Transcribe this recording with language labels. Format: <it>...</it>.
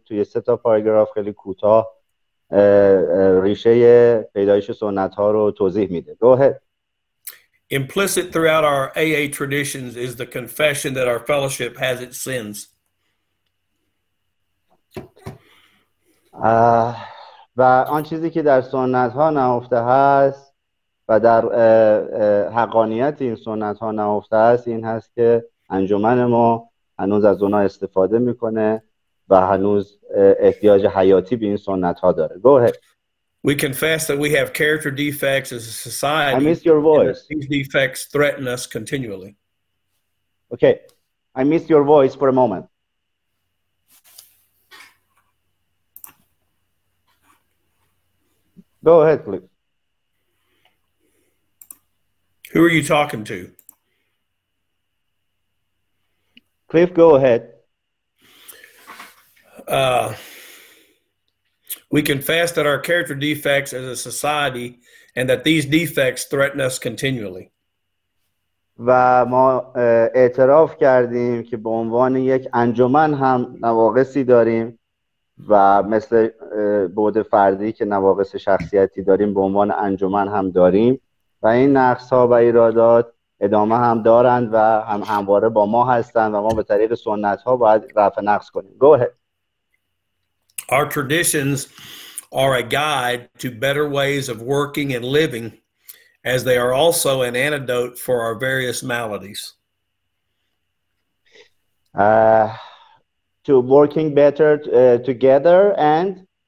<fa>توی سه تا پاراگراف خیلی کوتاه ریشه پیدایش سنت ها رو توضیح میده.</fa> <en>Go ahead. Implicit throughout our AA traditions is the confession that our fellowship has its sins.</en> <fa>و آن چیزی که در سنت ها نهفته هست و در حقانیت این سنت ها نهفته هست این هست که انجمن ما هنوز از اونا استفاده میکنه و هنوز احتیاج حیاتی به این سنت ها داره.</fa> <en>Go ahead. We confess that we have character defects as a society. I miss your voice. These defects threaten us continually. Okay. I miss your voice for a moment. Go ahead, please. Who are you talking to? Cliff, go ahead. We confess that our character defects as a society and that these defects threaten us continually.</en> <fa>و ما اعتراف کردیم که به عنوان یک انجمن هم نواقصی داریم و مثل بعد فردی که نواقص شخصیتی داریم به عنوان انجمن هم داریم و این نقص ها و ایرادات ادامه هم دارند و هم همواره با ما هستند و ما به طریق سنت ها باید رفع نقص کنیم.</fa> <en>Go ahead. Our traditions are a guide to better ways of working and living, as they are also an antidote for our various maladies. To working better together and?</en>